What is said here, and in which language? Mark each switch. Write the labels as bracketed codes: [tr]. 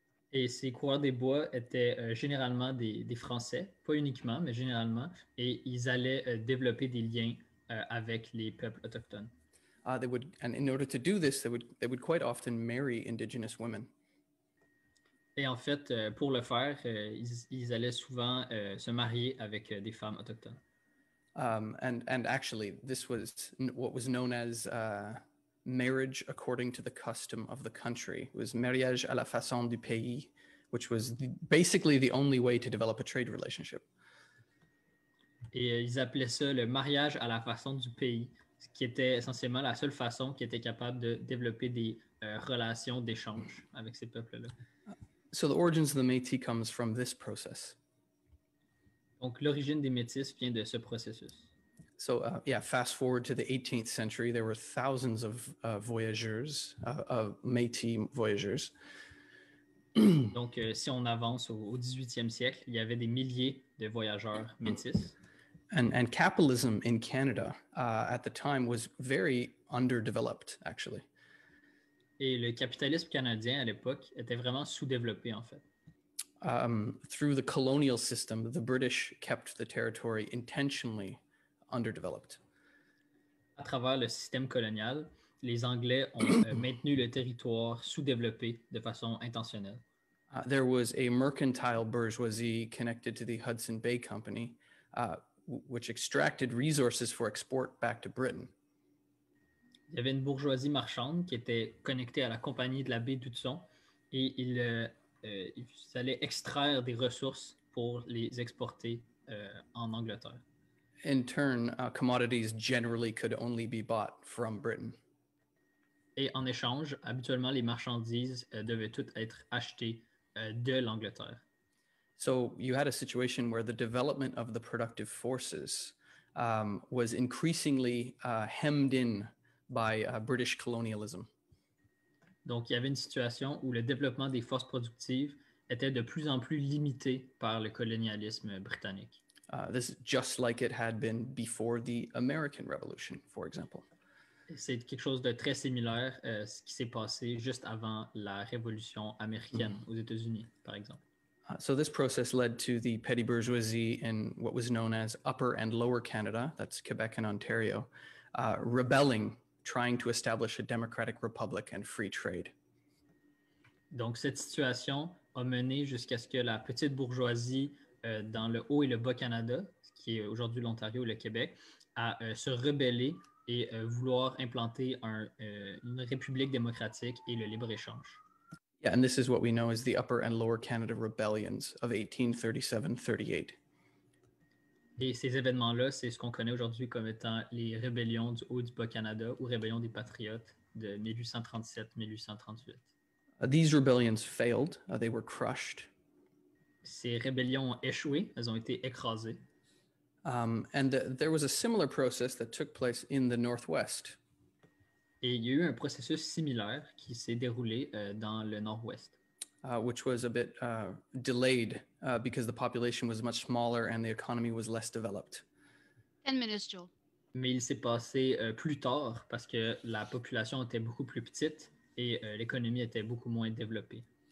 [fr] Et ces coureurs des bois étaient généralement des Français, pas uniquement, mais généralement, et ils allaient développer des liens avec les peuples autochtones. [en] They would quite often marry indigenous women. [fr] Et en fait, pour le faire, ils allaient souvent se marier avec des femmes autochtones. [en] And actually, this was what was known as marriage according to the custom of the country. It was [fr] mariage à la façon du pays, [en] which was basically the only way to develop a trade relationship. [fr] Et ils appelaient ça le mariage à la façon du pays, ce qui était essentiellement la seule façon qui était capable de développer des relations d'échange avec ces peuples-là. [en] So the origins of the Métis comes from this process. [fr] Donc l'origine des Métis vient de ce processus. [en] So, fast forward to the 18th century, there were thousands of voyageurs, of Métis voyageurs. [fr] Donc, si on avance au 18e siècle, il y avait des milliers de voyageurs métis. [en] And capitalism in Canada at the time was very underdeveloped, actually. [fr] Et le capitalisme canadien à l'époque était vraiment sous-développé, en fait. [en] Through the colonial system, the British kept the territory intentionally underdeveloped. [fr] À travers le système colonial, les Anglais ont maintenu le territoire sous-développé de façon intentionnelle. [en] There was a mercantile bourgeoisie connected to the Hudson Bay Company, which extracted resources for export back to Britain. [fr] Il y avait une bourgeoisie marchande qui était connectée à la compagnie de la baie d'Hudson et ils allaient extraire des ressources pour les exporter en Angleterre. [en] In turn, commodities generally could only be bought from Britain. [fr] Et en échange, habituellement, les marchandises devaient toutes être achetées de l'Angleterre. [en] So you had a situation where the development of the productive forces was increasingly hemmed in by British colonialism. [fr] Donc, il y avait une situation où le développement des forces productives était de plus en plus limité par le colonialisme britannique. [en] This is just like it had been before the American Revolution, for example. [fr] C'est quelque chose de très similaire ce qui s'est passé juste avant la révolution américaine aux États-Unis, par exemple. [en] So this process led to the petty bourgeoisie in what was known as Upper and Lower Canada, that's Quebec and Ontario, rebelling, trying to establish a democratic republic and free trade. [fr] Donc cette situation a mené jusqu'à ce que la petite bourgeoisie dans le Haut et le Bas-Canada, qui est aujourd'hui l'Ontario et le Québec, a se rebeller et vouloir implanter une république démocratique et le libre-échange. [en] Yeah, and this is what we know as the Upper and Lower Canada Rebellions of 1837-38. [fr] Et ces événements-là, c'est ce qu'on connaît aujourd'hui comme étant les rébellions du Haut et du Bas-Canada ou rébellion des Patriotes de 1837-1838. [en] These rebellions failed. They were crushed. [fr] Ces rébellions ont échoué. Elles ont été écrasées. [en] And there was a similar process that took place in the Northwest. [fr] Et il y a eu un processus similaire qui s'est déroulé dans le Nord-Ouest. [en] Which was a bit delayed because the population was much smaller and the economy was less developed. 10 minutes, Joel. [fr] Mais il s'est passé plus tard parce que la population était beaucoup plus petite et l'économie était beaucoup moins développée.